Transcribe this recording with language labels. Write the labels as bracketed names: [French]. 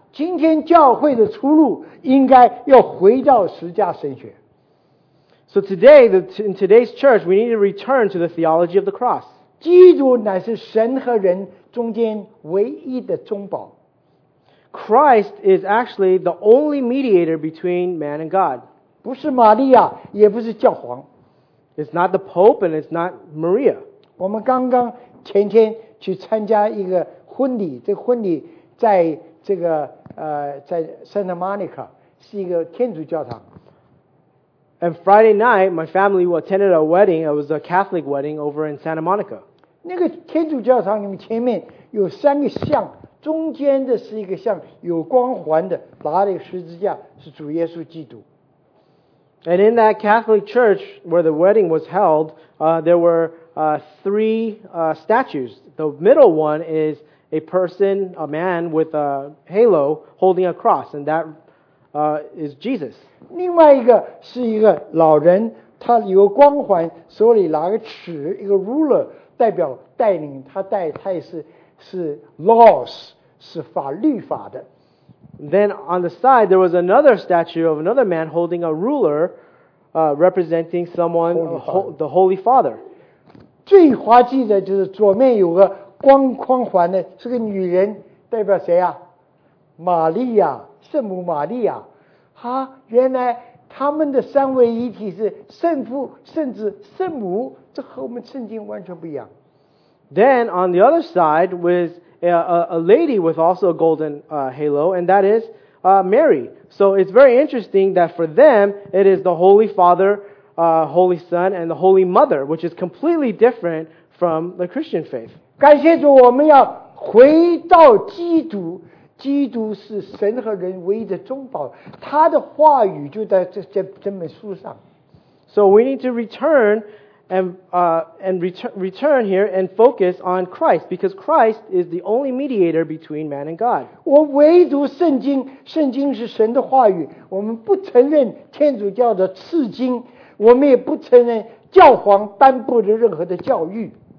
[Chinese] 今天教会的出路应该要回到十架神学。 [English] So today, in today's church, we need to return to the theology of the cross. [Chinese] 基督乃是神和人中间唯一的中保。 [English] Christ is actually the only mediator between man and God. [Chinese] 不是玛利亚，也不是教皇。 [English] It's not the Pope and it's not Maria. [Chinese] 我们刚刚前天去参加一个婚礼，这婚礼在这个在 Santa Monica 是一个天主教堂。 [English] And Friday night, my family attended a wedding. It was a Catholic wedding over in Santa Monica. [Chinese] 那个天主教堂里面前面有三个像，中间的是一个像有光环的，拿了一个十字架，是主耶稣基督。 [English] And in that Catholic church where the wedding was held, there were three statues. The middle one is a person, a man with a halo holding a cross, and that is Jesus. [Chinese] 另外一个是一个老人，他有光环，手里拿个尺，一个 ruler， 代表带领他带，他也是 laws， 是法律法的。 [English] Then on the side, there was another statue of another man holding a ruler, representing someone, the Holy Father. [Chinese] 最滑稽的就是左面有个光框环的，是个女人，代表谁啊？玛利亚，圣母玛利亚。哈，原来他们的三位一体是圣父、圣子、圣母，这和我们圣经完全不一样。 [English] Then on the other side was a lady with also a golden halo, and that is Mary. So it's very interesting that for them it is the Holy Father, Holy Son, and the Holy Mother, which is completely different from the Christian faith. [Chinese] 感谢主，我们要回到基督。基督是神和人唯一的中保，他的话语就在这本书上。 [English] So we need to return and return here and focus on Christ, because Christ is the only mediator between man and God. [Chinese] 我唯读圣经，圣经是神的话语。我们不承认天主教的赐经，我们也不承认教皇颁布的任何的教谕。